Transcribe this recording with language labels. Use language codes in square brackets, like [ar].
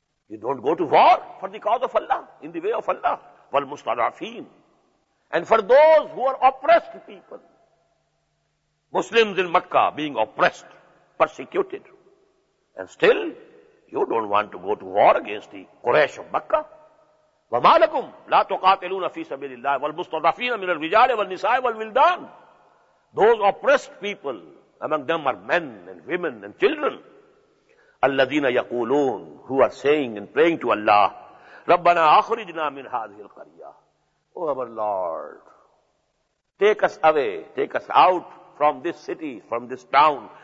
[en] You don't go to war for the cause of Allah, in the way of Allah. والمستضعفين. And for those who are oppressed people. Muslims in Makkah being oppressed, persecuted. And still, you don't want to go to war against the Quraysh of Makkah. [ar] وما لكم لا تقاتلون في سبيل الله والمستضعفين من الرجال والنساء والولدان. [en] Those oppressed people, among them are men and women and children. [ar] الَّذِينَ يَقُولُونَ, [en] who are saying and praying to Allah, [ar] رَبَّنَا أَخْرِجْنَا مِنْ هَذِهِ الْقَرْيَةِ. [en] Oh our Lord, take us away, take us out from this city, from this town.